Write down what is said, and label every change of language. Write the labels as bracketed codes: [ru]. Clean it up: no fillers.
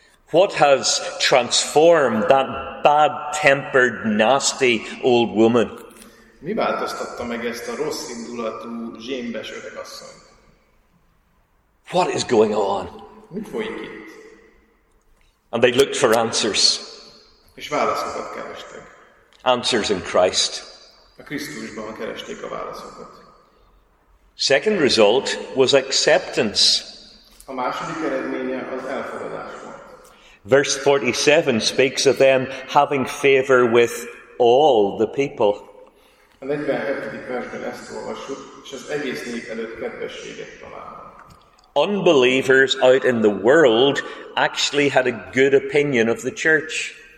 [en] What has transformed that bad-tempered, nasty old woman? [hu] Mi változtatta meg ezt a rossz indulatú, zsémbes öregasszony? [en] What is going on? [hu] Mi folyik itt? [en] And they looked for answers. [hu] És válaszokat kerestek. [en] Answers in Christ. [hu] A Krisztusban keresték a válaszokat. [en] Second result was acceptance. [hu] A második eredménye az elfogadás volt. [en] Verse 47 speaks of them having favor with all the people. [hu] A 47. versben ezt olvassuk, és az egész nép előtt kedvességet talál. [en] Unbelievers out in the world actually had a good opinion of the church.